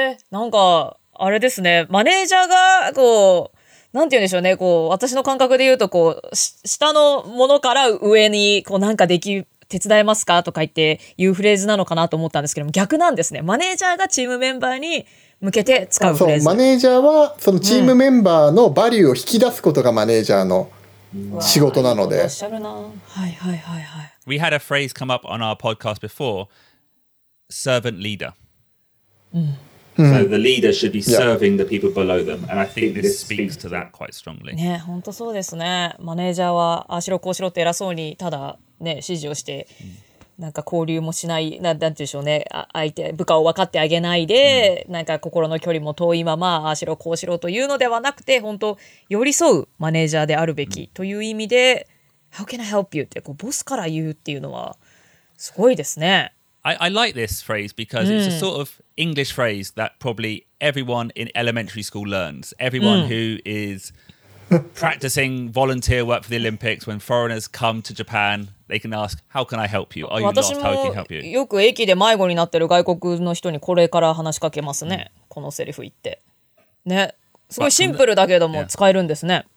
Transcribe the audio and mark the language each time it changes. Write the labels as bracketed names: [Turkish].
[Japanese] なんかあれですね、マネージャーがこうなんて言うんでしょうね、こう私の感覚で言うと、こう下のものから上にこうなんかでき手伝えますかとか言って言うフレーズなのかなと思ったんですけども、逆なんですね、マネージャーがチームメンバーに向けて使うフレーズ。そう、マネージャーはそのチームメンバーのバリューを引き出すことがマネージャーの仕事なので。おっしゃるな、はいはいはいはい。 [English] We had a phrase come up on our podcast before, servant leader、うん、So the leader should be serving、yeah. the people below them, and I think this speaks to that quite strongly. [Japanese] ね、本当そうですね。マネージャーはあしろこうしろって偉そうにただね指示をして、なんか交流もしない、なんていうんでしょうね、相手部下を分かってあげないで、うん、なんか心の距離も遠いままあしろこうしろというのではなくて、本当寄り添うマネージャーであるべきという意味で、うん、 [English] How can I help you [Japanese] ってこうボスから言うっていうのはすごいですね。 [English] I like this phrase because it's a sort of English phrase that probably everyone in elementary school learns. Everyone who is practicing volunteer work for the Olympics, when foreigners come to Japan, they can ask, how can I help you? Are you lost? How can I help you? [Japanese] よく駅で迷子になってる外国の人にこれから話しかけますね。このセリフ言って。ね。すごいシンプルだけども使えるんですね。